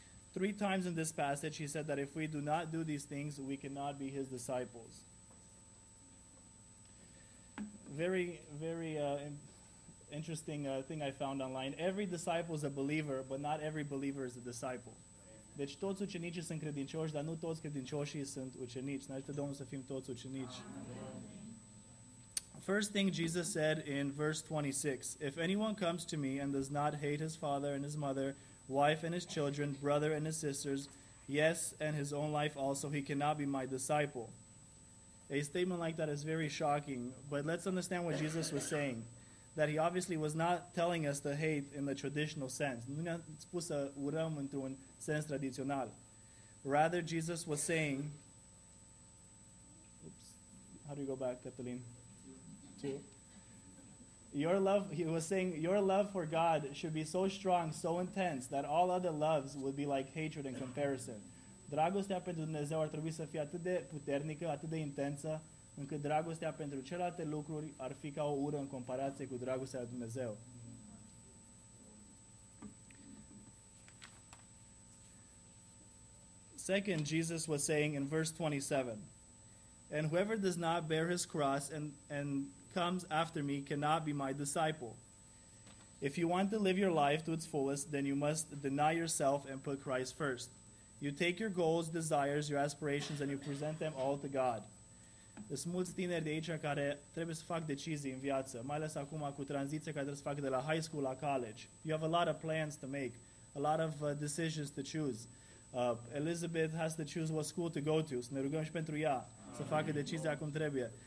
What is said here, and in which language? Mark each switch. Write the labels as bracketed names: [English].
[English] Three times in this passage, he said that if we do not do these things, we cannot be his disciples. Very, very interesting thing I found online. Every disciple is a believer, but not every believer is a disciple. [Romanian] Deci toți ucenicii sunt credincioși, dar nu toți credincioșii sunt ucenici. Ne ajută Domnul să fim toți ucenici. [English] First thing Jesus said in verse 26, if anyone comes to me and does not hate his father and his mother, wife and his children, brother and his sisters, yes, and his own life also, he cannot be my disciple. A statement like that is very shocking, but let's understand what Jesus was saying. That he obviously was not telling us to hate in the traditional sense. [Romanian] Nu ne-a spus să urăm într-un sens tradițional. [English] Rather, Jesus was saying, oops, how do you go back, Cătălin? Your love, he was saying, your love for God should be so strong, so intense, that all other loves would be like hatred in comparison. [Romanian] Dragostea pentru Dumnezeu ar trebui să fie atât de puternică, atât de intensă, încât dragostea pentru celelalte lucruri ar fi ca o ură în comparație cu dragostea de Dumnezeu. [English] Second, Jesus was saying in verse 27, and whoever does not bear his cross and comes after me cannot be my disciple. If you want to live your life to its fullest, then you must deny yourself and put Christ first. You take your goals, desires, your aspirations, and you present them all to God. [Romanian] Sunt mulți tineri de aici care trebuie să fac decizii în viață, mai ales acum cu tranziția care trebuie să fac de la high school la college. [English] You have a lot of plans to make, a lot of decisions to choose. Elizabeth has to choose what school to go to. [Romanian] Să ne rugăm și pentru ea să facă decizia cum trebuie.